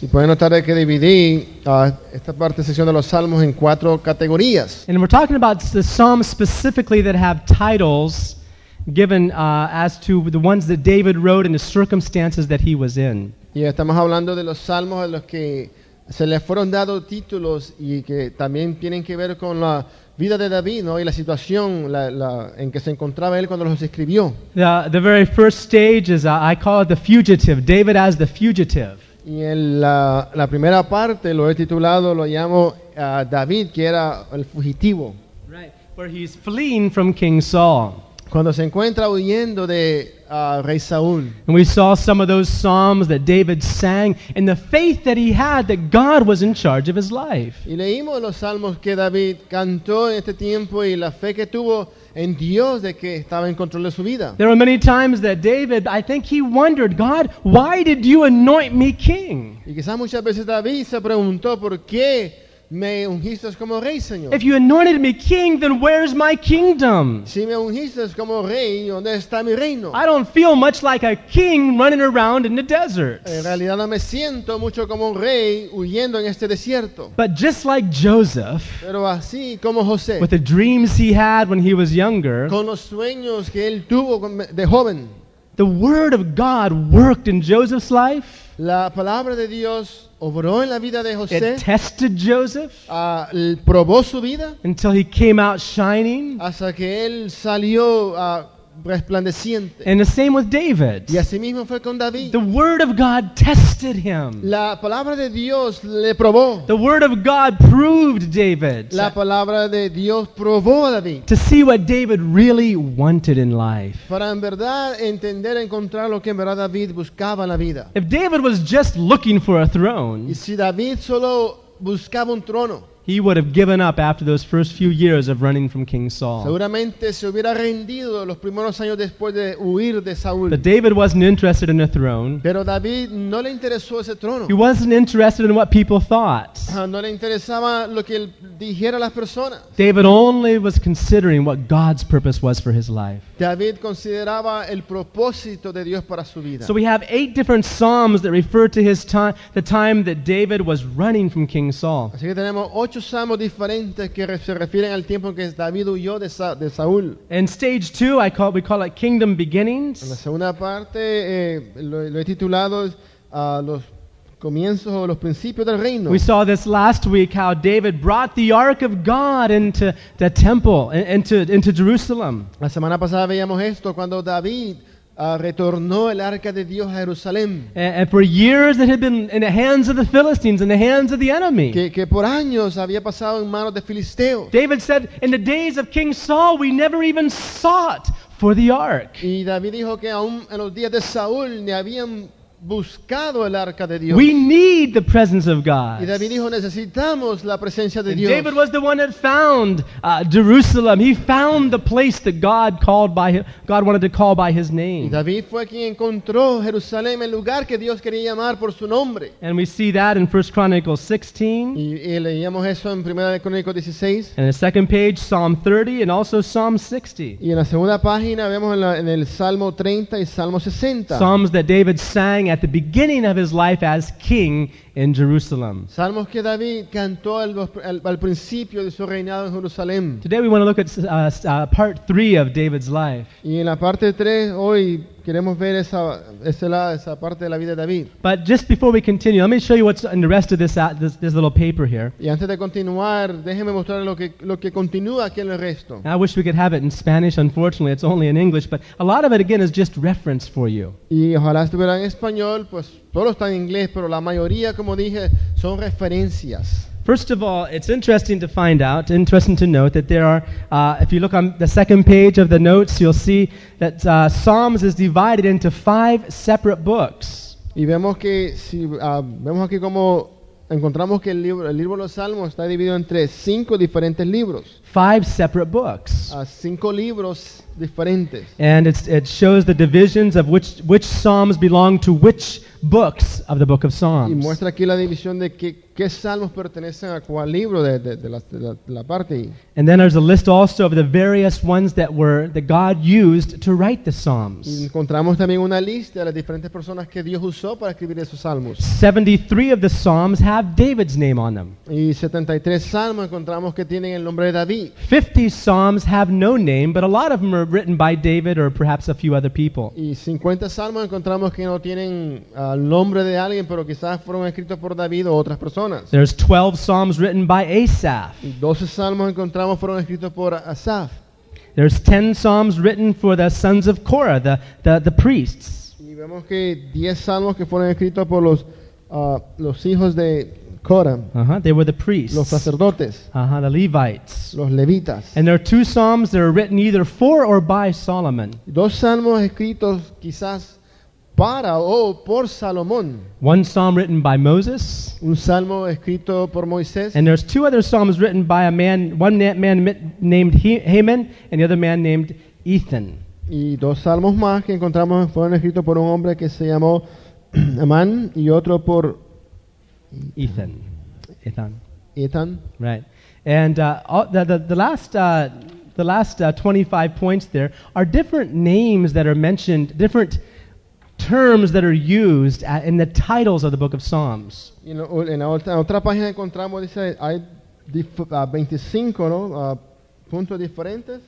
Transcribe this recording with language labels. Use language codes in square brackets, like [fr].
[es] Y pueden notar que dividí esta parte sección de los salmos en cuatro categorías. [en] And we're talking about the psalms specifically that have titles given as to the ones that David wrote and the circumstances that he was in. [es] Y estamos hablando de los salmos a los que se les fueron dados títulos y que también tienen que ver con la vida de David, ¿no? Y la situación en que se encontraba él cuando los escribió. [en] The very first stage is I call it the fugitive, David as the fugitive. [es] Y en la primera parte lo he titulado, lo llamo David, que era el fugitivo. [en] Right, where he's fleeing from King Saul. [es] Cuando se encuentra huyendo de Rey Saúl. [en] And we saw some of those psalms that David sang and the faith that he had that God was in charge of his life. [es] Y leímos los salmos que David cantó en este tiempo y la fe que tuvo en Dios de que estaba en control de su vida. [en] There were many times that David, I think he wondered, God, why did you anoint me king? [es] Y quizás muchas veces David se preguntó por qué me ungiste como rey, Señor. [en] If you anointed me king, then where's my kingdom? [es] Si me ungiste como rey, ¿dónde está mi reino? [en] I don't feel much like a king running around in the desert. [es] En realidad no me siento mucho como un rey huyendo en este desierto. [en] But just like Joseph, [es] pero así como José, [en] with the dreams he had when he was younger, [es] con los sueños que él tuvo de joven, [en] the word of God worked in Joseph's life. [es] La palabra de Dios obró en la vida de José. [en] It tested Joseph. [es] Probó su vida. [en] Until he came out shining. [es] Hasta que él salió resplandeciente. [en] And the same with David. [es] Y así mismo fue con David. [en] The word of God tested him. [es] La palabra de Dios le probó. [en] The word of God proved David. [es] La palabra de Dios probó a David. [en] To see what David really wanted in life. [es] Para en verdad entender, encontrar lo que en verdad David buscaba en la vida. [en] If David was just looking for a throne, [es] y si David solo buscaba un trono, [en] he would have given up after those first few years of running from King Saul. [es] Seguramente se hubiera rendido los primeros años después de huir de Saúl. [en] But David wasn't interested in a throne. [es] Pero David no le interesó ese trono. [en] He wasn't interested in what people thought. [es] No le interesaba lo que dijera las personas. [en] David only was considering what God's purpose was for his life. [es] David consideraba el propósito de Dios para su vida. [en] So we have eight different psalms that refer to his time, the time that David was running from King Saul. [es] Así que tenemos ocho salmos diferentes que se refieren al tiempo en que David huyó de Saúl. [en] In stage two, we call it kingdom beginnings. [es] En la segunda parte lo he titulado los comienzos o los principios del reino. [en] We saw this last week how David brought the Ark of God into the temple into Jerusalem. [es] La semana pasada veíamos esto cuando David retornó el arca de Dios a Jerusalén. [en] And for years it had been in the hands of the Philistines, in the hands of the enemy. [es] Que por años había pasado en manos de filisteos. [en] David said, in the days of King Saul, we never even sought for the ark. [es] Y David dijo que aún en los días de Saúl ni habían buscado el arca de Dios. [en] We need the presence of God. [es] Y David dijo, necesitamos la presencia de [en] and [es] Dios. [en] David was the one that found Jerusalem. He found the place that God wanted to call by his name. [es] Y David fue quien encontró Jerusalén, el lugar que Dios quería llamar por su nombre. [en] And we see that in 1 Chronicles 16. [es] Y leíamos eso en 1 Chronicles 16. [en] And the second page, Psalm 30 and also Psalm 60. [es] Y en la segunda página vemos en el Salmo 30 y Salmo 60. [en] Psalms that David sang at the beginning of his life as king in Jerusalem. [es] Salmos que David cantó al principio de su reinado en Jerusalén. [en] Today we want to look at part 3 of David's life. [es] Y en la parte 3 hoy queremos ver esa parte de la vida de David. [en] But just before we continue, let me show you what's in the rest of this little paper here. [es] Y antes de continuar, déjeme mostrar lo que continúa aquí en el resto. [en] I wish we could have it in Spanish. Unfortunately, it's only in English. But a lot of it, again, is just reference for you. [es] Y ojalá estuviera en español, pues todo está en inglés, pero la mayoría, como dije, son referencias. [en] First of all, it's interesting to note that there are, if you look on the second page of the notes, you'll see that Psalms is divided into five separate books. [es] Y vemos que, vemos aquí como encontramos que el libro de los Salmos está dividido entre cinco diferentes libros. [en] Five separate books. [es] Cinco libros diferentes. [en] And it shows the divisions of which psalms belong to which books of the book of Psalms. [es] Y muestra aquí la división de qué salmos pertenecen a cuál libro de la parte. [en] And then there's a list also of the various ones that God used to write the psalms. [es] Y encontramos también una lista de las diferentes personas que Dios usó para escribir esos salmos. [en] 73 of the psalms have David's name on them. [es] Y 73 salmos encontramos que tienen el nombre de David. [en] 50 psalms have no name, but a lot of them are written by David or perhaps a few other people. [es] Y 50 salmos encontramos que no tienen al nombre de alguien, pero quizás fueron escritos por David o otras personas. [en] There's 12 psalms written by Asaph. [es] 12 salmos encontramos fueron escritos por Asaph. [en] There's 10 psalms written for the sons of Korah, the priests. [es] Y vemos que 10 salmos que fueron escritos por los hijos de Korah. [en] Uh-huh, they were the priests. [es] Los sacerdotes. [en] Uh-huh, the Levites. [es] Los levitas. [en] And there are 2 psalms that are written either for or by Solomon. [es] 2 salmos escritos quizás para o por Salomón. [en] 1 psalm written by Moses. [es] Un salmo escrito por Moisés. [en] And there's 2 other psalms written by a man, one man named Haman and the other man named Ethan. [es] Y 2 salmos más que encontramos fueron escritos por un hombre que se llamó Amán y otro por Ethan. [en] Right. And the last 25 points there are different names that are mentioned, different terms that are used in the titles of the book of Psalms. You know, [es] en la otra página encontramos dice hay 25, ¿no? Puntos diferentes.